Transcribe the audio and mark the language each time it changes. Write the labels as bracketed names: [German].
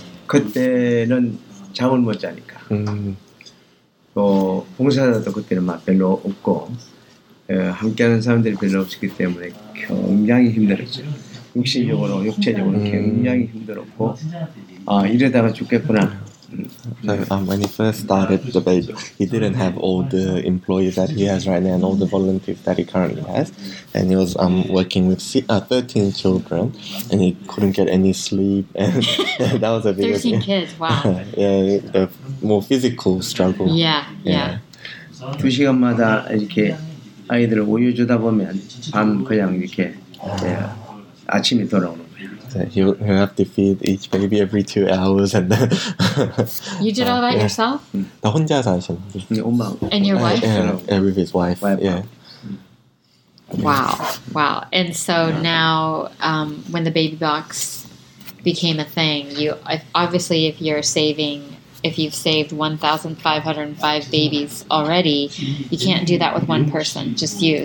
[Korean] 그때는 잠을 못 자니까 또 봉사자도 그때는 막 별로 없고 함께하는 사람들이 별로 없었기 때문에 굉장히 힘들었죠. 육신적으로, 육체적으로 굉장히 힘들었고 이러다가 죽겠구나. [English] When he first started the baby, he didn't have all the employees that he has right now and all the volunteers that he currently has. And he was working with 13 children and he couldn't get any sleep. And that was a big 13 kids, wow. Yeah, the more physical struggle. Yeah. [Korean] 2시간마다 이렇게 아이들을 우유 주다 보면 밤 그냥 이렇게 아침이 돌아오는 거예요. [English] He'll have to feed each baby every 2 hours, and then you did all that yourself. [Korean] 나 혼자 사셨는데. 엄마. [English] And your wife? Yeah, with his wife. Wow. And so now, when the baby box became a thing, you obviously, if you've saved 1,505 babies already, you can't do that with one person, just you.